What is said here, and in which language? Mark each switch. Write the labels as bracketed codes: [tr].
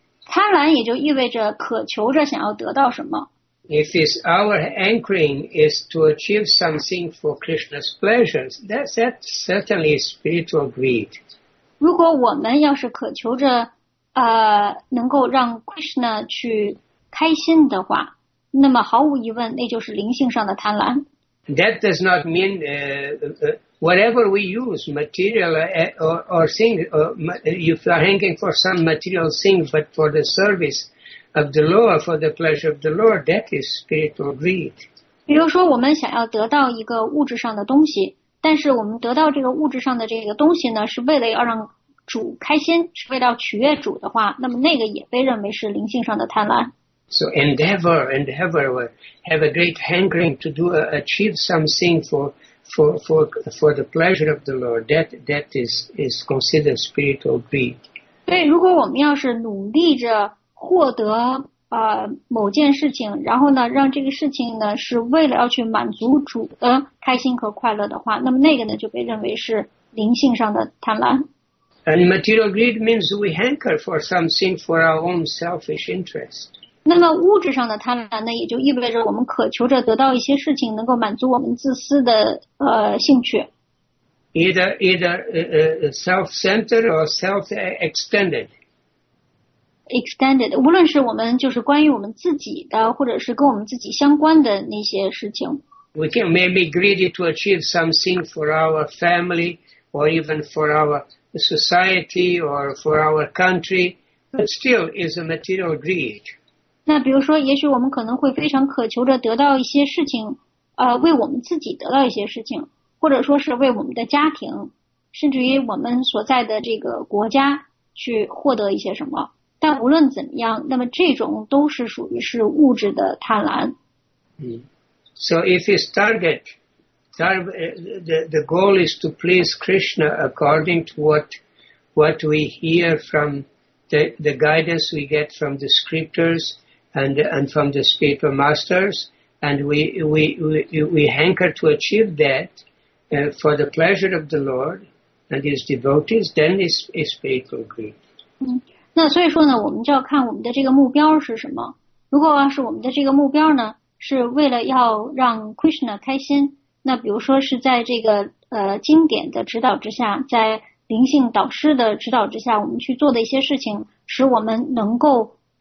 [zh] 贪婪也就意味着渴求着想要得到什么。 [en] If it's our anchoring is to achieve something for Krishna's pleasures, that certainly is spiritual greed. [zh] 如果我们要是渴求着能够让 Krishna 去开心的话，那么毫无疑问那就是灵性上的贪婪。 [en] That does not mean whatever we use, material or things, you are hanging for some material thing, but for the service of the Lord, for the pleasure of the Lord, that is spiritual greed. [zh] 比如说，我们想要得到一个物质上的东西，但是我们得到这个物质上的这个东西呢，是为了要让主开心，是为了取悦主的话，那么那个也被认为是灵性上的贪婪。 [en] So endeavor, have a great hankering to do, achieve something for the pleasure of the Lord. That is considered spiritual greed. [zh] 对，如果我们要是努力着获得某件事情，然后呢，让这个事情呢是为了要去满足主的开心和快乐的话，那么那个呢就被认为是灵性上的贪婪。 [en] And material greed means we hanker for something for our own selfish interest. [zh] 那么物质上的贪婪呢，也就意味着我们渴求着得到一些事情，能够满足我们自私的兴趣。 [en] Either self-centered or self-extended. [zh] Extended， 无论是我们就是关于我们自己的，或者是跟我们自己相关的那些事情。 [en] We can maybe greedy to achieve something for our family or even for our society or for our country, but still is a material greed. [zh] 那比如说也许我们可能会非常渴求着得到一些事情为我们自己得到一些事情，或者说是为我们的家庭，甚至于我们所在的这个国家去获得一些什么。但无论怎么样，那么这种都是属于是物质的贪婪。嗯。 [en] So if it's the goal is to please Krishna according to what we hear from the guidance we get from the scriptures,And from the spiritual masters, and we hanker to achieve that for the pleasure of the Lord and His devotees, then is a spiritual greed. [zh] 嗯，那所以说呢，我们就要看我们的这个目标是什么。如果要是我们的这个目标呢，是为了要让 Krishna 开心，那比如说是在这个经典的指导之下，在灵性导师的指导之下，我们去做的一些事情，使我们能够。